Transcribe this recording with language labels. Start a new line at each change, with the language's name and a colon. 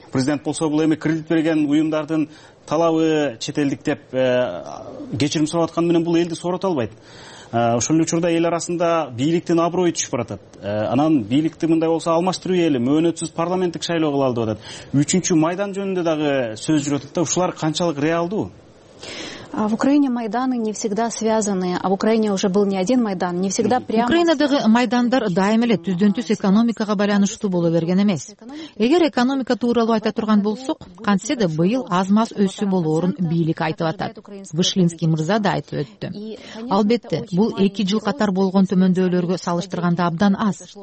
Kyrgyz: Президент болсо бул эми кредит берген уюмдардын талабы чет элдик деп кечирим сурап атканы менен бул элди соорото албайт. Ошол эле учурда эл арасында бийликтин аброю түшүп баратат. Анан бийликти мындай болсо алмаштыруу эле мөөнөтсүз парламенттик шайлоо кыла алды деп атат. Үчүнчү майдан жөнүндө дагы сөз жүрөт да, ушулар канчалык реалдуу?
Russian: А в Украине майданы не всегда связаны, а в Украине уже был не один майдан, не всегда прямо.
Kyrgyz: Украинадагы майдандар дайым эле түздөн-түз экономикага байланыштуу боло берген эмес. Эгер экономика тууралуу айта турган болсок, кантсе да быйыл азмас өсүү болоорун бийлик айтып атат. Вышлинский мырза да айтып өттү. Албетте, бул 2 жыл катар болгон төмөндөөлөргө салыштырганда абдан аз.